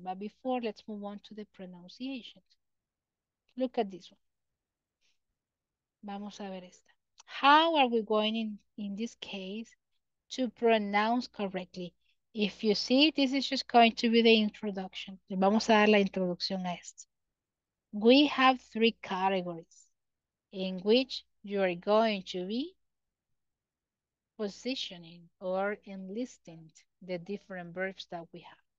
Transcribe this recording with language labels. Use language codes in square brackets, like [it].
[en] But before, let's move on to the pronunciation. Look at this one. [es] Vamos a ver esta. [en] How are we going in this case to pronounce correctly? If you see, this is just going to be the introduction. [es] Le vamos a dar la introducción a esto. [en] We have three categories in which you are going to be positioning or enlisting the different verbs that we have.